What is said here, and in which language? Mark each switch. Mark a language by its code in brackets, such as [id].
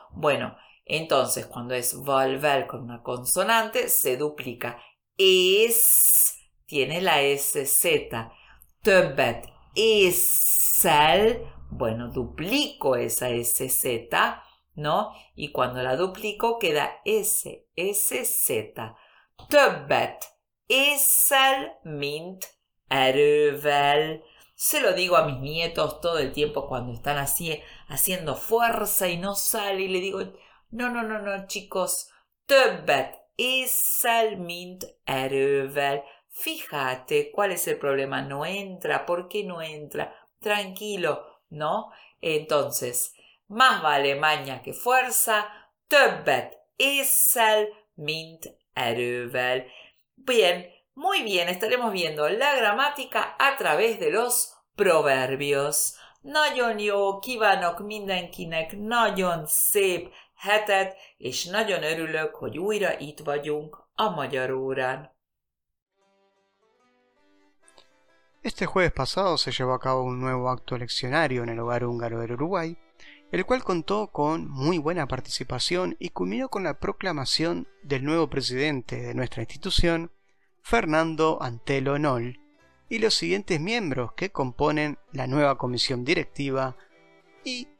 [es] Bueno, entonces, cuando es volver con una consonante, se duplica. Es, tiene la SZ. [hu] Többet ésszel, [es] bueno, duplico esa SZ, ¿no? Y cuando la duplico, queda S, SZ. [hu] Többet ésszel, mint erővel. [es] Se lo digo a mis nietos todo el tiempo cuando están así haciendo fuerza y no sale, y le digo, no, no, no, no, chicos. [hu] Többet ésszel, mint erővel. [es] Fíjate, ¿cuál es el problema? No entra. ¿Por qué no entra? Tranquilo, ¿no? Entonces, más vale maña que fuerza. [hu] Többet ésszel, mint erővel. [es] Bien, muy bien. Estaremos viendo la gramática a través de los proverbios. [hu] Nagyon jó, kívánok mindenkinek, nagyon szép hetet, és nagyon örülök, hogy újra itt vagyunk a Magyar Órán. [es] Este jueves pasado se llevó a cabo un nuevo acto leccionario en el Hogar Húngaro del Uruguay, el cual contó con muy buena participación y culminó con la proclamación del nuevo presidente de nuestra institución, Fernando Antelo Nol, y los siguientes miembros que componen la nueva comisión directiva y